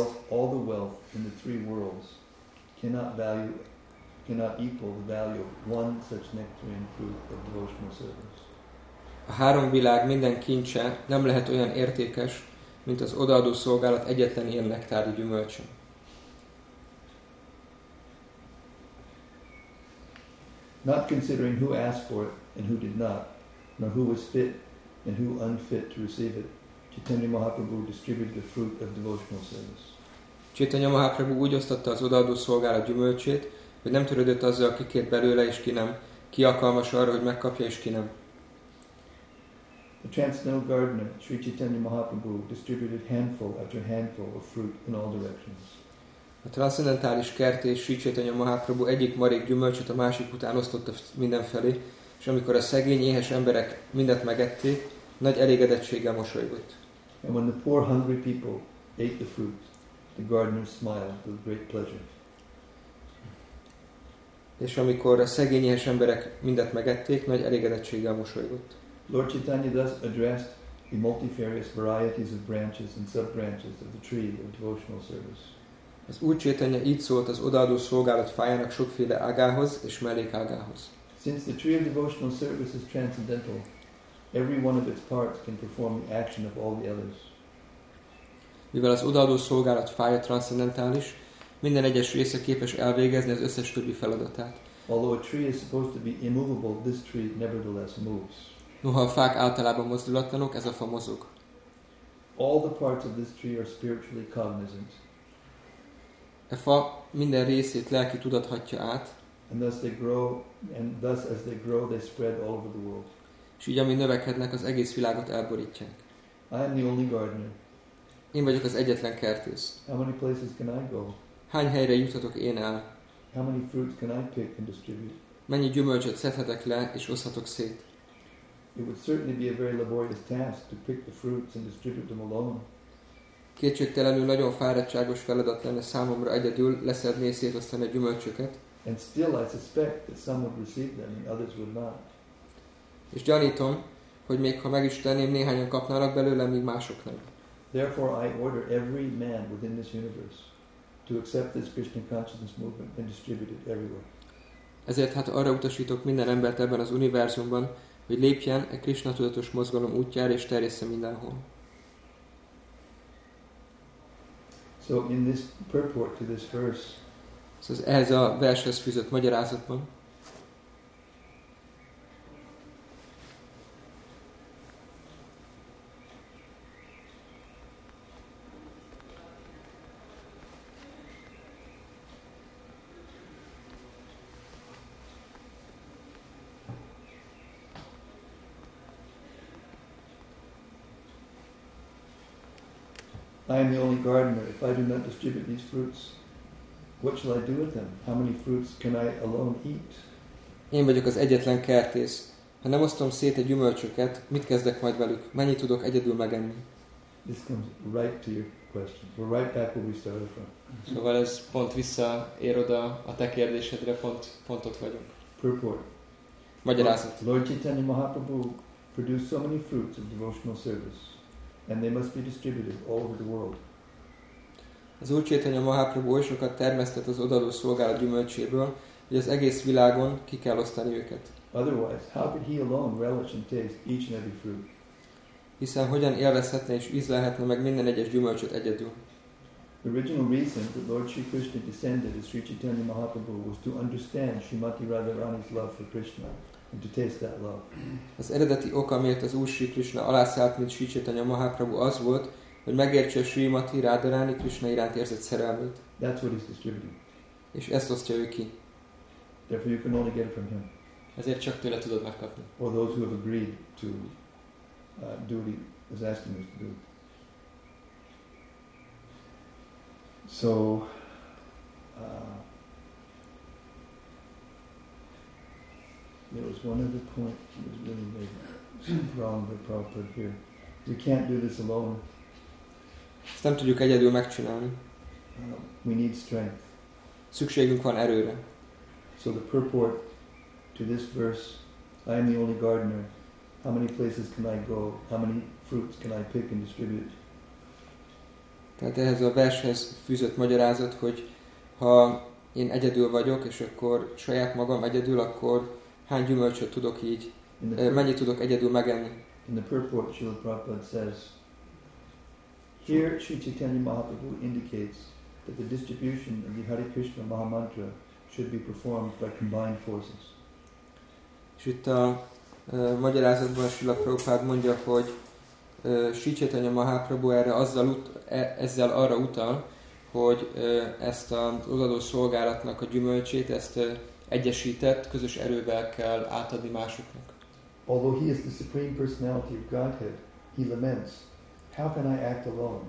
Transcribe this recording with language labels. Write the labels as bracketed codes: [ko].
[en] All the wealth in the three worlds cannot equal the value of one such nectarian fruit of devotional service. [hu] A három világ minden kincse nem lehet olyan értékes, mint az odaadó szolgálat egyetlen ilyen nektári gyümölcse. [en] Not considering who asked for it and who did not, nor who was fit and who unfit to receive it, Chaitanya Mahaprabhu distributed the fruit of devotional service. [hu] Chaitanya Mahaprabhu úgy osztotta az odaadó szolgálat gyümölcsét, hogy nem törődött azzal, ki kért belőle és ki nem, ki alkalmas arra, hogy megkapja és ki nem. [en] The transcendental gardener, Sri Chaitanya Mahaprabhu, distributed handful after handful of fruit in all directions. [hu] A transzendentális kertész, Sri Chaitanya Mahaprabhu egyik marék gyümölcsöt a másik után osztotta mindenfelé, és amikor a szegény, éhes emberek mindent megették, nagy elégedettséggel mosolygott. [en] And when the poor hungry people ate the fruit, the gardener smiled with great pleasure. [hu] És amikor a szegény éhes emberek mindet megették, nagy elégedettséggel mosolygott. [en] Lord Chaitanya thus addressed the multifarious varieties of branches and sub-branches of the tree of devotional service. [hu] Az Úr Chaitanya így szólt az odaadó szolgálat fájának sokféle ágához és mellékágához. [en] Since the tree of devotional service is transcendental, every one of its parts can perform the action of all the others. [hu] Mivel az odaadó szolgálat fája transzendentális, minden egyes része képes elvégezni az összes többi feladatát. [en] Although a tree is supposed to be immovable, this tree nevertheless moves. [hu] Noha a fák általában mozdulatlanok, ez a fa mozog. [en] All the parts of this tree are spiritually cognizant. [hu] A fa minden részét lelki tudathatja át. [en] And thus they grow, and thus as they grow, they spread all over the world. [hu] És így, ami növekednek, az egész világot elborítják. [en] I am the only gardener. [hu] Én vagyok az egyetlen kertész. [en] How many places can I go? [hu] Hány helyre juthatok én el? [en] How many fruits can I pick and distribute? [hu] Mennyi gyümölcsöt szedhetek le és oszthatok szét? [en] It would certainly be a very laborious task to pick the fruits and distribute them alone. [hu] Kétségtelenül nagyon fáradtságos feladat lenne számomra egyedül leszedni és szétosztani a gyümölcsöket. [en] And still I suspect that some would receive them and others would not. [hu] És gyanítom, hogy még ha meg is tenném, néhányan kapnának belőle, míg mások nem. [en] Therefore I order every man within this universe to accept this Krishna consciousness movement and distribute it everywhere. [hu] Ezért hát arra utasítok minden embert ebben az univerzumban, hogy lépjen a Krishna tudatos mozgalom útjára és terjessze mindenhol. [en] So in this purport to this verse, [hu] szóval ehhez a vershez fűzött magyarázatban, [en] I am the only gardener. If I do not distribute these fruits, what shall I do with them? How many fruits can I alone eat? [hu] Én vagyok az egyetlen kertész. Ha nem osztom szét a gyümölcsöket, mit kezdek majd velük? Mennyit tudok egyedül megenni? [en] This comes right to your question. We're right back where we started from. [hu] Szóval ez pont visszaér oda a te kérdésedre, pont ott vagyunk. [en] Purport. [hu] Magyarázat. [en] Lord Chaitanya Mahaprabhu produced so many fruits of devotional service, and they must be distributed all over the world. [hu] Az Úr Chaitanya Mahaprabhu oly sokat termesztett az odaadó szolgálat gyümölcséből, hogy az egész világon ki kell osztani őket. [en] Otherwise, how could he alone relish and taste each and every fruit? [hu] Hiszen hogyan élvezhetne és ízlelhetne meg minden egyes gyümölcsöt egyedül? [en] The original reason that Lord Sri Krishna descended as Sri Chaitanya Mahaprabhu was to understand Srimati Radharani's love for Krishna and to taste that love. [hu] Az eredeti oka, miért az Úr Sri Krishna alászállt, mint Sri Chaitanya Mahaprabhu, az volt, hogy megértse Srimati Radharani Krishna iránt érzett szerelmét. [en] That's what he's distributing. [hu] És ezt osztja ő ki. [en] Therefore you can only get it from him. [hu] Ezért csak tőle tudod megkapni. [en] Or those who have agreed to do what he is asking us to do. So, there was one other point that was really made wrong by Prabhupada here. We can't do this alone. [hu] Ezt nem tudjuk egyedül megcsinálni. [en] We need strength. [hu] Szükségünk van erőre. [en] So the purport to this verse, I am the only gardener. How many places can I go? How many fruits can I pick and distribute? [hu] Tehát ehhez a vershez fűzött magyarázat, hogy ha én egyedül vagyok, és akkor saját magam egyedül, akkor hány gyümölcsöt tudok így, mennyit tudok egyedül megenni? [en] In the purport, Srila Prabhupada says, here Sri Chaitanya Mahaprabhu indicates that the distribution of the Hare Krishna Mahamantra should be performed by combined forces. [hu] És itt a magyarázatban Srila Prabhupada mondja, hogy Sri Chaitanya Mahaprabhu erre ezzel arra utal, hogy ezt az odaadó szolgálatnak a gyümölcsét, ezt egyesített, közös erővel kell átadni másoknak. [en] Although he is the Supreme Personality of Godhead, he laments, how can I act alone?